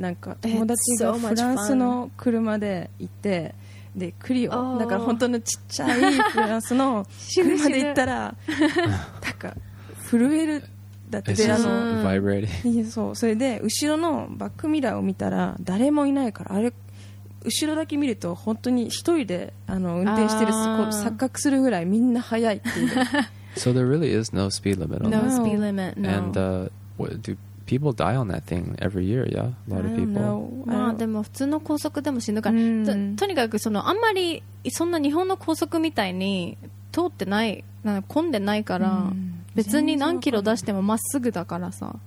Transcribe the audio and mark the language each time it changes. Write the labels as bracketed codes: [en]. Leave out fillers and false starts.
[ja] なんか友達がフランスの車で行って、でクリオ、だから本当のちっちゃいフランスの車で行ったらなんか震えるだって、あのバイブレーディー、そう、それで後ろのバックミラーを見たら誰もいないから、あれ後ろだけ見ると本当に一人であの運転してる、こう錯覚するぐらいみんな速いっていう。 [en] So there really is no speed limit on no that. No speed limit, no. And do people die on that thing every year, yeah? A lot of people. [ja] まあでも普通の高速でも死ぬから、とにかくそのあんまりそんな日本の高速みたいに通ってない、なんか混んでないから、別に何キロ出してもまっすぐだからさ。